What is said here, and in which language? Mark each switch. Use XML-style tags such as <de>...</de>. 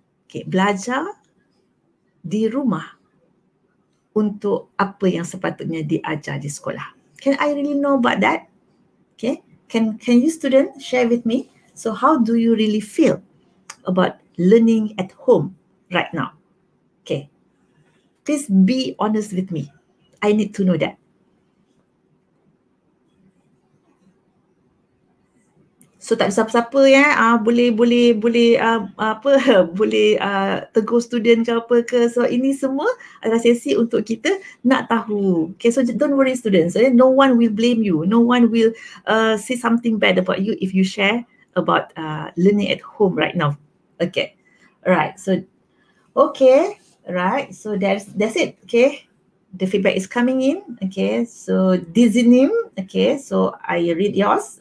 <ms>Okay, belajar di rumah untuk apa yang sepatutnya diajar di sekolah.</ms> <en>Can I really know about that? Okay. Can you student share with me? So how do you really feel about learning at home right now? Okay. Please be honest with me. I need to know that.</en> <ms>So tak ada siapa-siapa ya, tegur student ke apa ke. So ini semua adalah sesi untuk kita nak tahu.</ms> <en>Okay, so don't worry students. Eh? No one will blame you. No one will say something bad about you if you share about learning at home right now. Okay, alright. So, okay. Right, so that's it. Okay, the feedback is coming in. Okay, so dizziness. Okay, so I read yours.</en>